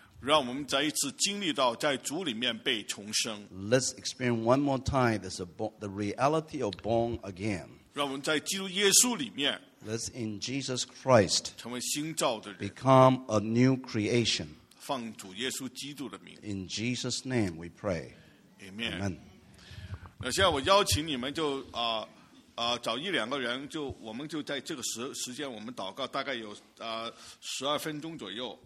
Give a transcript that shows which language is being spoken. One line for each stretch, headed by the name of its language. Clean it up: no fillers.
Chinese: 让我们再一次经历到在主里面被重生。
English: Let's experience one more time the reality of born again.
Chinese: 让我们在基督耶稣里面。
English: Let's in Jesus Christ.
Chinese: 成为新造的人。
English: Become a new creation.
Chinese: 奉主耶稣基督的名。
English: In Jesus' name we pray. Amen. Amen.
Chinese: 那现在我邀请你们就找一两个人，就我们就在这个时间，我们祷告大概有十二分钟左右。